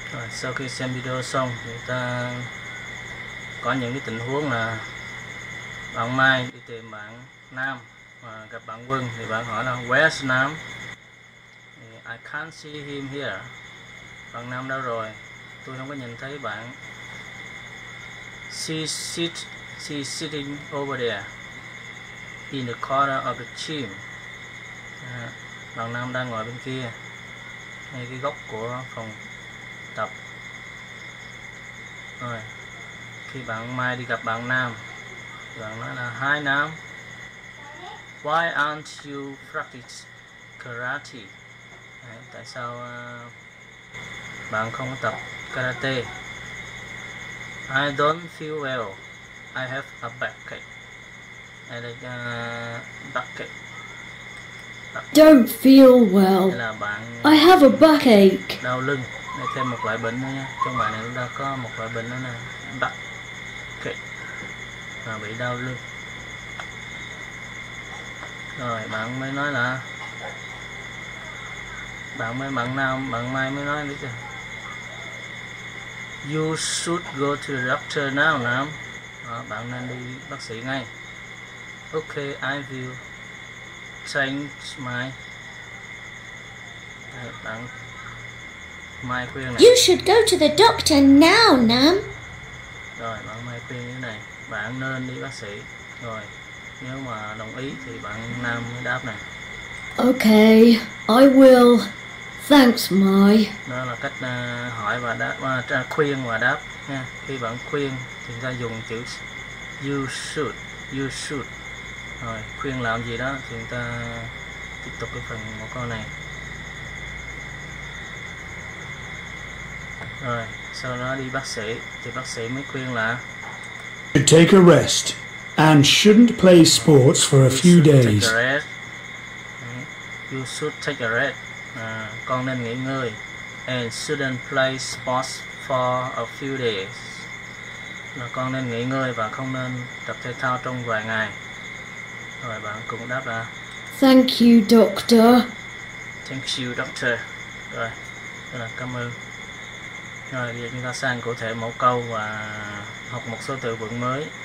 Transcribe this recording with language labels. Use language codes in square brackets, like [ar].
[vi] Sau khi xem video xong, người ta có những cái tình huống là bạn Mai đi tìm bạn Nam và gặp bạn Quân, thì bạn hỏi là [en] where's Nam? I can't see him here. [vi] Bạn Nam đâu rồi? Tôi không có nhìn thấy bạn. [en] She's sitting over there in the corner of the gym. [vi] Bạn Nam đang ngồi bên kia ngay cái góc của phòng tập. Rồi, khi bạn Mai đi gặp bạn Nam, bạn nói là [en] hi Nam, why aren't you practice karate? [vi] Đấy, tại sao bạn không tập karate? [en] I don't feel well. I have a backache. [vi] Đây là [en] backache. Don't feel well. [vi] Là bạn [en] I have a backache. [vi] Đau lưng. Đây thêm một loại bệnh nữa nha. Trong bài này chúng ta có một loại bệnh đó nè, backache, là bị đau lưng. Rồi bạn mới nói là bạn Mai mới nói biết chưa? [en] You should go to the doctor now, Nam. [vi] Đó, bạn nên đi bác sĩ ngay. [en] Okay, I will change my. [vi] Đây, bạn Mai khuyên này. [en] You should go to the doctor now, Nam. [vi] Rồi, bạn Mai khuyên như thế này. Bạn nên đi bác sĩ. Rồi, nếu mà đồng ý thì bạn Nam mới đáp này. [en] Okay, I will. Thanks, Mai. [vi] Đó là cách hỏi và đáp, khuyên và đáp nha. Khi bạn khuyên thì chúng ta dùng chữ you should. Rồi, khuyên làm gì đó thì chúng ta tiếp tục cái phần một câu này. Rồi, sau đó đi bác sĩ thì bác sĩ mới khuyên là [en] should take a rest and shouldn't play sports for a few days. You should take a rest. [vi] Con nên nghỉ ngơi. [en] And shouldn't play sports for a few days. [vi] Là con nên nghỉ ngơi và không nên tập thể thao trong vài ngày. Rồi bạn cũng đáp là [en] thank you, doctor. Thank you, doctor. [vi] Rồi, rất là cảm ơn. Rồi, bây giờ chúng ta sang cụ thể mẫu câu và học một số từ vựng mới.